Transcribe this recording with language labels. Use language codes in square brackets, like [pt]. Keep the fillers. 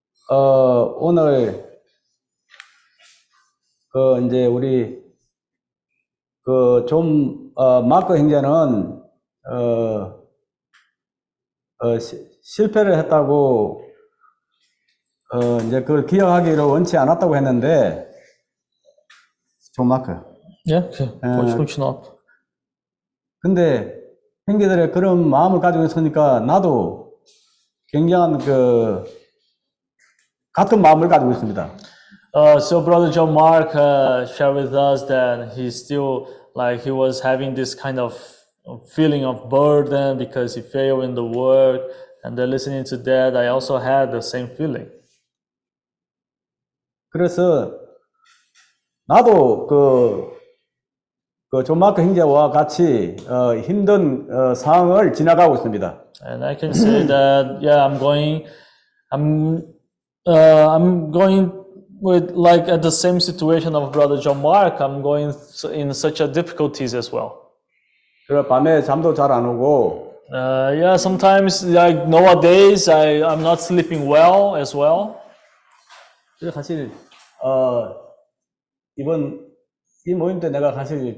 [ko] 어 오늘 그 이제 우리 그좀 어, 마크 행자는 어, 어 시, 실패를 했다고 어 이제 그걸 기억하기로 원치 않았다고 했는데 존 마크 예 보시고 그, 어, 근데 행제들의 그런 마음을 가지고 있으니까 나도 굉장한 그 같은 마음을 가지고 있습니다. [en] Uh, so brother John Mark uh, shared with us that he still like he was having this kind of feeling of burden because he failed in the work and then listening to that I also had the same feeling. [ko] 그래서 나도 그 그존 마크 형제와 같이 어, 힘든 어, 상황을 지나가고 있습니다. [en] And I can say that yeah, I'm going, I'm, uh, I'm going with like at the same situation of brother John Mark. I'm going in such a difficulties as well. [ko] 그래 밤에 잠도 잘 안 오고. [en] Uh, yeah, sometimes like nowadays I I'm not sleeping well as well. [ko] 그래 사실 어 이번 이 모임 때 내가 사실